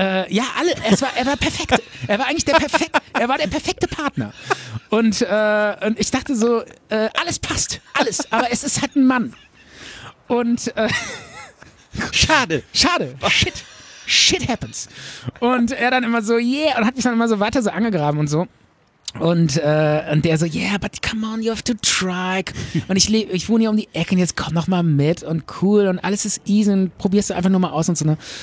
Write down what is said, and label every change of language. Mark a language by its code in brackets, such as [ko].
[de] Ja, alle. Er war perfekt. Er war eigentlich der perfekte Partner. Und ich dachte so, alles passt, alles, aber es ist halt ein Mann. Und Schade. [en] Shit happens. [de] Und er dann immer so, yeah, und hat mich dann immer so weiter so angegraben und so. Und der so, [en] yeah, but come on, you have to try. [de] Und ich wohne hier um die Ecke und jetzt komm noch mal mit und cool und alles ist easy und probierst du einfach nur mal aus und so. Ne?